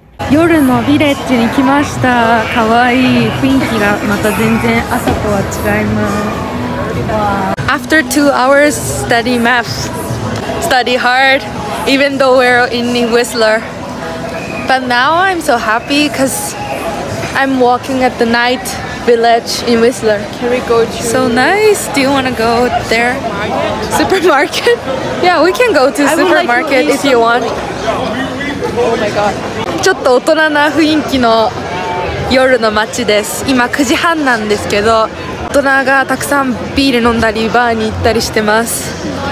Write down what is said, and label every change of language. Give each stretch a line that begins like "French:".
Japanese: 夜のヴィレッジに来ました。かわいい雰囲気がまた全然朝とは違います。
English: After 2 hours study math, study hard even though we're in Whistler, but now I'm so happy because I'm walking at the night village in Whistler. Can we go to so nice, do you want to go there? Supermarket? Yeah, we can go to supermarket if you want. Oh my god
Japanese: ちょっと大人な雰囲気の夜の街です。今9時半なんですけど大人がたくさんビール飲んだりバーに行ったりしてます。